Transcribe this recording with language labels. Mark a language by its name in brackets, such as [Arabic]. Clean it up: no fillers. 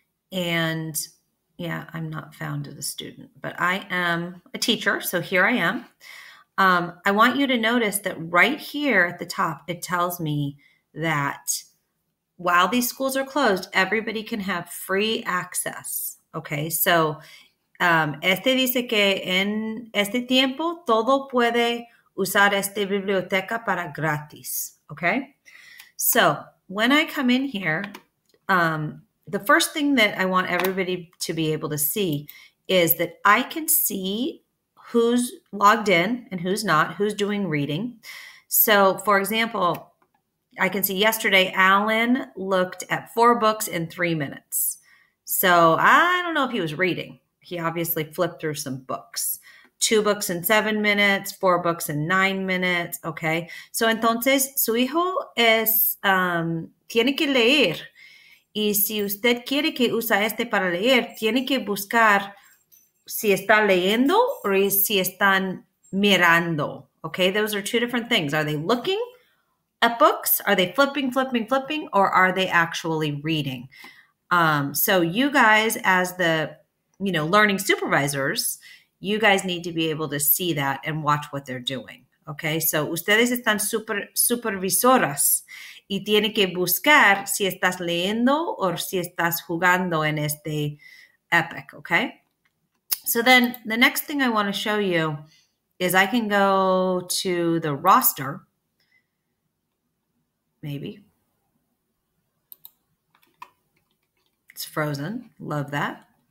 [English] And yeah, I'm not found as a student, but I am a teacher, so here I am. I want you to notice that right here at the top, it tells me that while these schools are closed, everybody can have free access. [Spanish] Okay, so este dice que en este tiempo todo puede usar esta biblioteca para gratis. [English] Okay, so when I come in here, the first thing that I want everybody to be able to see is that I can see who's logged in and who's not, who's doing reading. So for example, I can see yesterday Alan looked at 4 books in 3 minutes. So I don't know if he was reading. He obviously flipped through some books. 2 books in 7 minutes, 4 books in 9 minutes. Okay. [Spanish] So entonces, su hijo es, tiene que leer. Y si usted quiere que usa este para leer, tiene que buscar si está leyendo o si están mirando. [English] Okay. Those are two different things. Are they looking at books? Are they flipping, or are they actually reading? So you guys, as the learning supervisors, you guys need to be able to see that and watch what they're doing. [Spanish] Okay, so ustedes están supervisoras y tienen que buscar si estás leyendo o si estás jugando en este Epic. [English] Okay, so then the next thing I want to show you is I can go to the roster. Maybe. It's frozen. Love that.